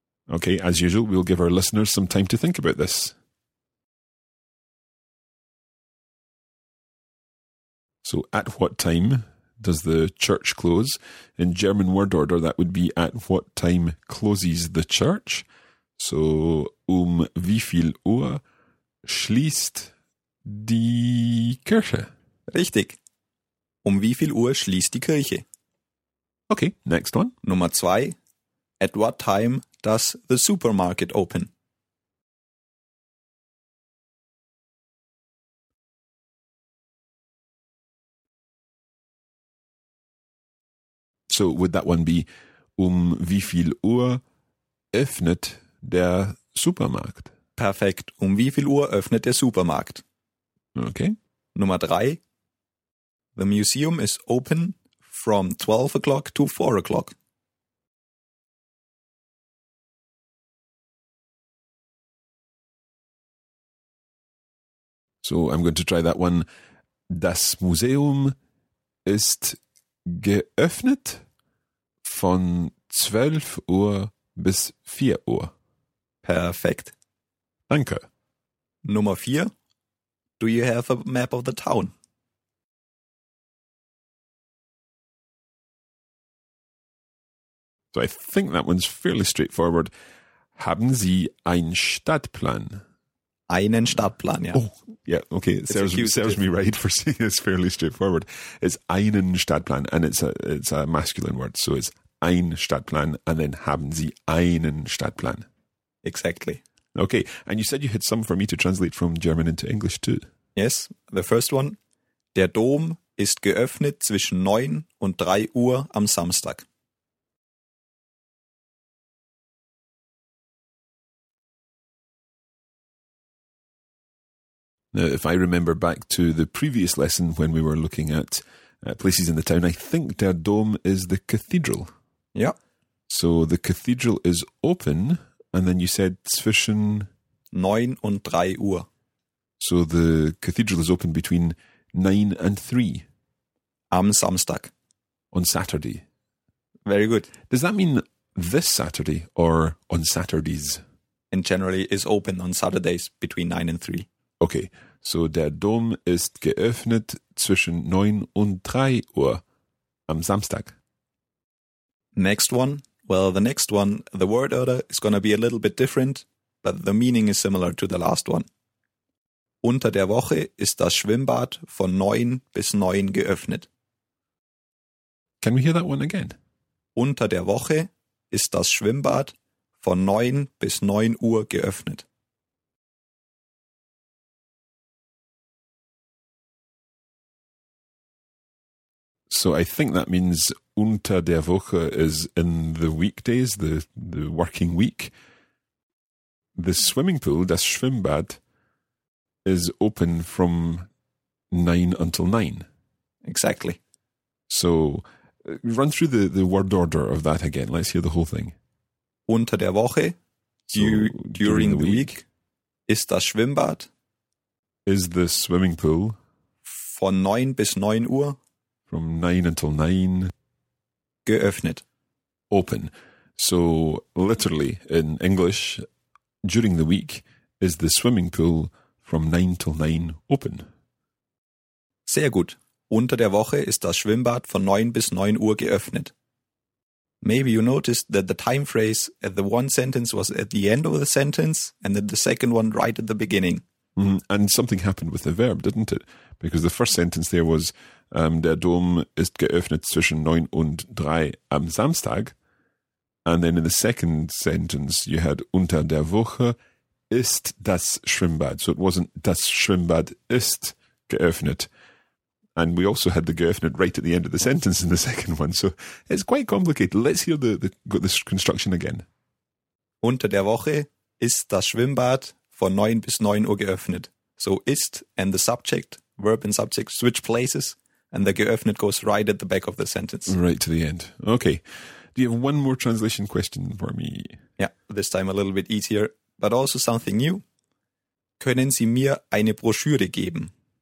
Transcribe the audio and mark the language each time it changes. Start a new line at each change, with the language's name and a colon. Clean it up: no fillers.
English: Okay, as usual, we'll give our listeners some time to think about this. So, at what time does the church close? In German word order, that would be
German: at what time closes the church? So, wie viel Uhr schließt die Kirche? Richtig. Wie viel Uhr schließt die Kirche?
English: Okay, next one.
German: Nummer zwei.
English: At what time does the supermarket open? So would that one be
German: wie viel Uhr öffnet der Supermarkt? Perfekt. Wie viel Uhr öffnet der Supermarkt?
English: Okay.
German: Nummer drei.
English: The museum is open from 12 o'clock to 4 o'clock. So I'm going to try that one.
German: Das Museum ist geöffnet von 12 Uhr bis 4 Uhr. Perfekt. Danke. Nummer 4.
English: Do you have a map of the town? So I think that one's fairly straightforward.
German: Haben Sie ein Stadtplan? Einen Stadtplan, ja.
English: Oh, yeah, okay. It serves me right for saying it's fairly straightforward. It's
German: einen Stadtplan,
English: and it's a masculine word. So it's ein Stadtplan, and then
German: haben Sie einen Stadtplan.
English: Exactly. Okay, and you said you had some for me to translate from German into English too. Yes, the first one.
German: Der Dom ist geöffnet zwischen 9 und 3 Uhr am Samstag.
English: Now, if I remember back to the previous lesson when we were looking at places in the town, I think Der Dom is the cathedral. Yeah. So the cathedral is open, and then you said zwischen
German: 9 und 3 Uhr.
English: So the cathedral is open between 9 and 3.
German: Am Samstag.
English: On Saturday. Very good. Does that mean this Saturday or on Saturdays? And generally is open on Saturdays between 9 and 3. Okay, so
German: der Dom ist geöffnet zwischen 9 und 3 Uhr am Samstag.
English: Next one. Well, the next one, the word order is going to be a little bit different, but the meaning is similar to the last one.
German: Unter der Woche ist das Schwimmbad von 9 bis 9 geöffnet.
English: Can we hear that one again?
German: Unter der Woche ist das Schwimmbad von 9 bis 9 Uhr geöffnet.
English: So I think that means
German: unter der Woche
English: is in the weekdays, the working week. The swimming pool,
German: das Schwimmbad,
English: is open from 9 until 9. Exactly. So run through the word order of that again. Let's hear the whole thing.
German: Unter der Woche,
English: during the week,
German: ist das Schwimmbad.
English: Is the swimming pool.
German: Von 9 bis 9 Uhr.
English: From 9 until 9.
German: Geöffnet.
English: Open. So literally in English, during the week, is the swimming pool from 9 till 9 open.
German: Sehr gut. Unter der Woche ist das Schwimmbad von 9 bis 9 Uhr geöffnet.
English: Maybe you noticed that the time phrase at the one sentence was at the end of the sentence and then the second one right at the beginning. Mm, and something happened with the verb, didn't it? Because the first sentence there was,
German: der Dom ist geöffnet zwischen 9 und 3 am Samstag.
English: And then in the second sentence you had
German: unter der Woche ist das Schwimmbad.
English: So it wasn't
German: das Schwimmbad ist geöffnet.
English: And we also had the geöffnet right at the end of the sentence in the second one. So it's quite complicated. Let's hear the construction again.
German: Unter der Woche ist das Schwimmbad von 9 bis 9 Uhr geöffnet.
English: So ist and the subject, verb and subject, switch places. And the geöffnet goes right at the back of the sentence. Right to the end. Okay. Do you have one more translation question for me? Yeah, this time a little bit easier, but also something new.
German: Können Sie mir eine Broschüre geben?